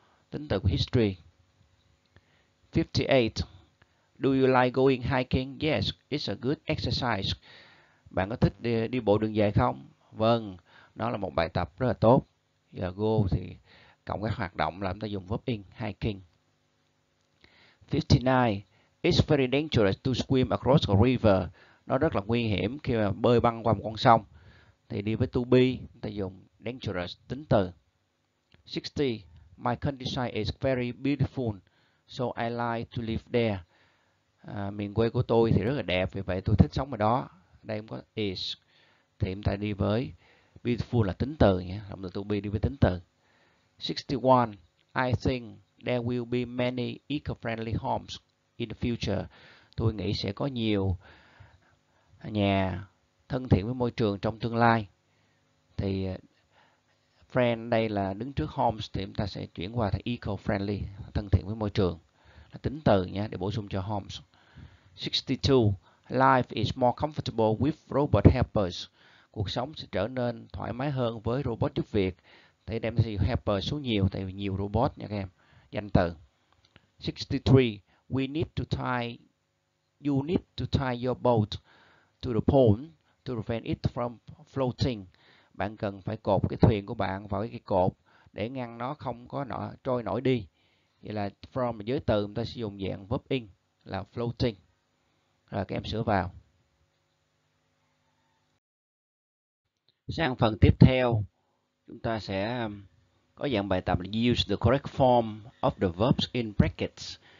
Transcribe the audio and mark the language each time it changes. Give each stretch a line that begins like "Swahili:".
Vietnamese: Tính từ của history. 58.
English: Do you like going hiking? Yes, it's a good exercise.
Vietnamese: Bạn có thích đi bộ đường dài không? Vâng, nó là một bài tập rất là tốt. Giờ go thì cộng các hoạt động là chúng ta dùng verb in, hiking.
English: 59. It's very dangerous to swim across a river.
Vietnamese: Nó rất là nguy hiểm khi mà bơi băng qua một con sông. Thì đi với to be, chúng ta dùng dangerous, tính từ. 60.
English: My countryside is very beautiful, so I like to live there.
Vietnamese: Miền quê của tôi thì rất là đẹp, vì vậy tôi thích sống ở đó. Đây cũng có is. Thì chúng ta đi với beautiful là tính từ nhé. Động từ to be đi với tính từ.
English: 61. I think there will be many eco-friendly homes in the future.
Vietnamese: Tôi nghĩ sẽ có nhiều nhà thân thiện với môi trường trong tương lai. Thì friend đây là đứng trước homes, thì chúng ta sẽ chuyển qua thành eco-friendly, thân thiện với môi trường. Là tính từ nhé, để bổ sung cho homes. 62.
English: Life is more comfortable with robot helpers.
Vietnamese: Cuộc sống sẽ trở nên thoải mái hơn với robot giúp việc. Thì đem sẽ dùng helper xuống nhiều, tại vì nhiều robot nha các em. Danh từ. 63.
English: You need to tie your boat to the pole to prevent it from floating.
Vietnamese: Bạn cần phải cột cái thuyền của bạn vào cái cột để ngăn nó không có trôi nổi đi. Vậy là from giới từ chúng ta sử dụng dạng verb in là floating. Rồi các em sửa vào. Sang phần tiếp theo, chúng ta sẽ có dạng bài tập là
English: use the correct form of the verbs in brackets.